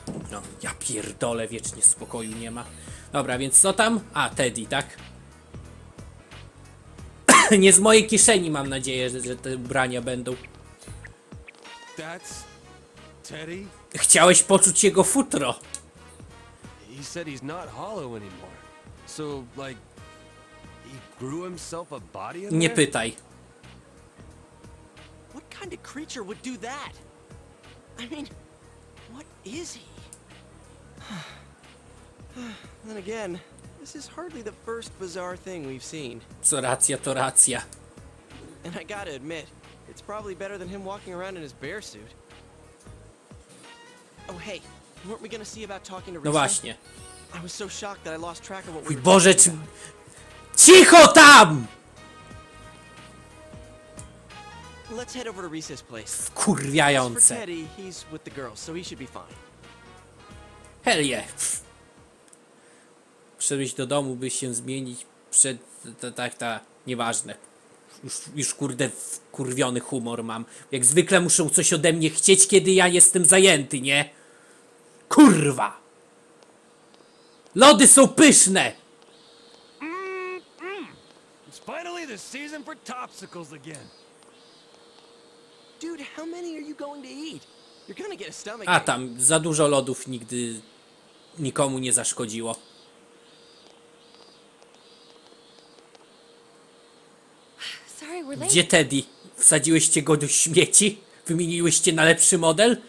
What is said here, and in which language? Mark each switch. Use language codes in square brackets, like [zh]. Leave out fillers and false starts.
[pl] No, ja pierdolę, wiecznie spokoju nie ma. Dobra, więc co tam? A, Teddy, tak? Nie z mojej kieszeni, mam nadzieję, że te ubrania będą. [en] That's Teddy? [pl] Chciałeś poczuć jego futro. [en] He said he's not hollow anymore. So, like, he grew himself a body in there? [pl] Nie pytaj. [en] What kind of creature would do that? I mean, what is he? Then again, this is hardly the first bizarre thing we've seen. [pl] Co racja, to racja. [en] And I gotta admit, it's probably better than him walking around in his bear suit. Oh hey, weren't we gonna see about talking to Risa? [pl] No właśnie. [en] I was so shocked that I lost track of what we're [pl] Boże, ci... Cicho tam! [en] Let's head over to Risa's place. [pl] Wkurwiające. [en] For Teddy, he's with the girls, so he should be fine. Hell yeah. [pl] Przebyś do domu, by się zmienić przed... Nieważne. Już kurde wkurwiony humor mam. Jak zwykle muszą coś ode mnie chcieć, kiedy ja jestem zajęty, nie? Kurwa! Lody są pyszne! [en] It's finally the season for topsicles again. Dude, how many are you going to eat? You're gonna get a stomach. [pl] A tam, za dużo lodów nigdy nikomu nie zaszkodziło. Gdzie Teddy? Wsadziłyście go do śmieci? Wymieniłyście na lepszy model?